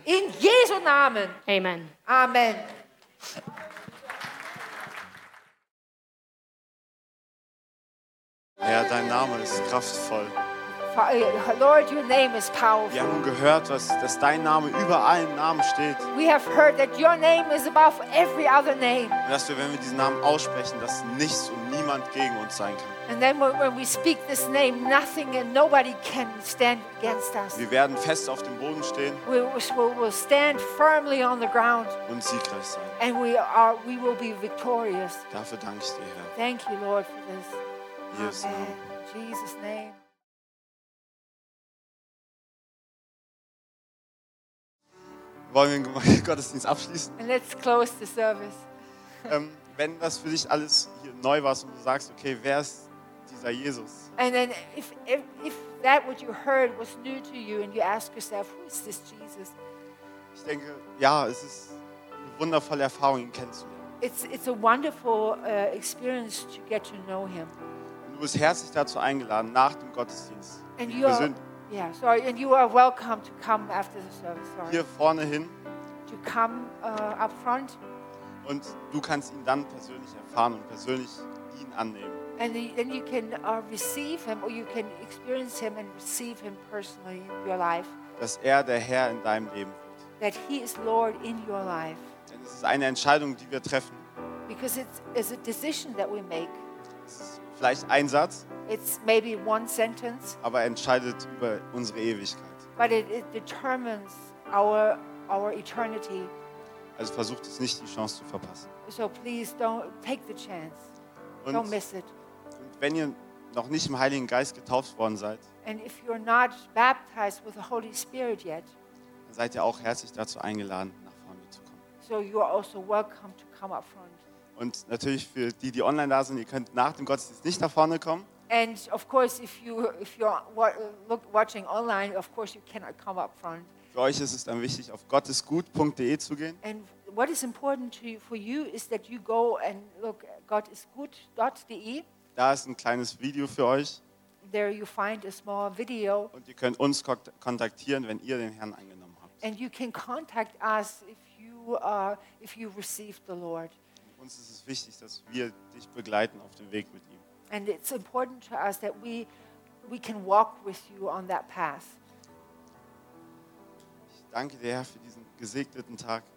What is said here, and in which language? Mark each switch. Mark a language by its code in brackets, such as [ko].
[de] in Jesu Namen, amen, amen. Ja, dein Name ist kraftvoll. [en] Lord, your name is powerful. [de] Wir haben gehört, dass dein Name über allen Namen steht. [en] We have heard that your name is above every other name. [de] Und dass wir, wenn wir diesen Namen aussprechen, dass nichts und niemand gegen uns sein kann. [en] And then when we speak this name, nothing and nobody can stand against us. [de] Wir werden fest auf dem Boden stehen. [en] We will stand firmly on the ground. [de] Und siegreich sein. [en] And we will be victorious. [de] Dafür danke ich dir, Herr. [en] Thank you, Lord, for this. Yes, Amen. In Jesus' name. [de] Wollen wir den Gottesdienst abschließen? [en] And let's close the service. [de] Wenn das für dich alles hier neu war und du sagst, okay, wer ist dieser Jesus? [en] And then if that what you heard was new to you and you ask yourself, who is this Jesus? [de] Ich denke, ja, es ist eine wundervolle Erfahrung, ihn kennenzulernen. [en] It's a wonderful experience to get to know him. [de] Und du bist herzlich dazu eingeladen, nach dem Gottesdienst. [en] And you are, yeah, sorry, and you are welcome to come after the service. Sorry. [de] Hier vorne hin. [en] To come up front. [de] Und du kannst ihn dann persönlich erfahren und persönlich ihn annehmen. [en] And then you can receive him, or you can experience him and receive him personally in your life. [de] Dass er der Herr in deinem Leben wird. [en] That he is Lord in your life. [de] Denn es ist eine Entscheidung, die wir treffen. [en] Because it's a decision that we make. [de] Es ist vielleicht ein Satz. [en] It's maybe one sentence. [de] Aber entscheidet über unsere Ewigkeit. [en] But it determines our eternity. [de] Also versucht es nicht, die Chance zu verpassen. [en] So please don't take the chance. [de] Und [en] don't miss it. [de] Wenn ihr noch nicht im Heiligen Geist getauft worden seid, [en] and if you're not baptized with the Holy Spirit yet, [de] dann seid ihr auch herzlich dazu eingeladen, nach vorne zu kommen. [en] So you are also welcome to come up front. [de] Und natürlich für die, die online da sind, ihr könnt nach dem Gottesdienst nicht nach vorne kommen. [en] And of course, if you're watching online, of course you cannot come up front. [de] Für euch ist es dann wichtig, auf gottesgut.de zu gehen. [en] And what is important to you, for you is that you go and look at gottesgut.de. [de] Da ist ein kleines Video für euch. [en] There you find a small video. [de] Und ihr könnt uns kontaktieren, wenn ihr den Herrn angenommen habt. [en] And you can contact us if you received the Lord. [de] Uns ist es wichtig, dass wir dich begleiten auf dem Weg mit ihm. [en] And it's important to us that we can walk with you on that path. [de] Ich danke dir, Herr, für diesen gesegneten Tag.